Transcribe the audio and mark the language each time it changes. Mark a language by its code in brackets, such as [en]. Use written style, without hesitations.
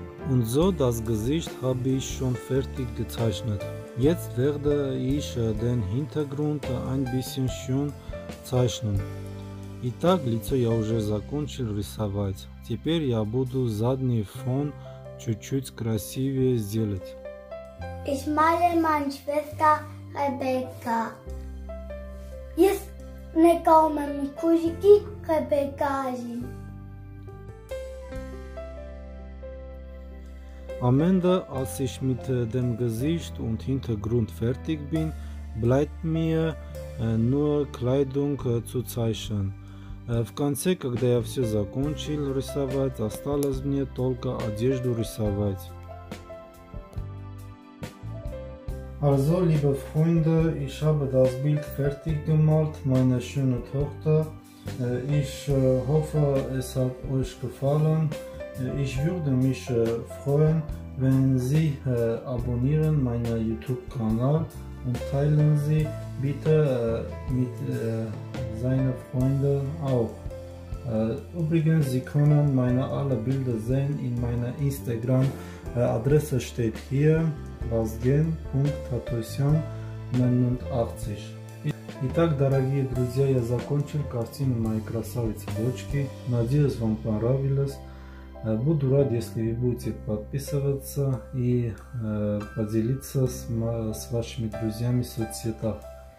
[de] Und so das Gesicht habe ich schon fertig gezeichnet. Jetzt werde ich den Hintergrund ein bisschen schön zeichnen. [ru] Итак, лицо я уже закончил рисовать. Теперь я буду задний фон чуть-чуть красивее сделать. [de] Ich male meine Schwester Rebecca. Jetzt kommen meine Cousine Rebecca. Am Ende, als ich mit dem Gesicht und Hintergrund fertig bin, bleibt mir nur Kleidung zu zeichnen. [ru] В конце, когда я все закончил рисовать, осталось мне только одежду рисовать. [de] Also, liebe Freunde, ich habe das Bild fertig gemalt, meine schöne Tochter. Ich hoffe, es hat euch gefallen. Ich würde mich freuen, wenn Sie abonnieren meinen YouTube-Kanal und teilen Sie bitte mit seinen Freunden auch. Übrigens, Sie können meine alle Bilder sehen in meiner Instagram-Adresse steht hier, wasgen.tatoisian89. [ru] Итак, дорогие друзья, я закончил картину моей красавицы дочки. Надеюсь, вам понравилось. Буду рад, если вы будете подписываться и поделиться с вашими друзьями в соцсетях.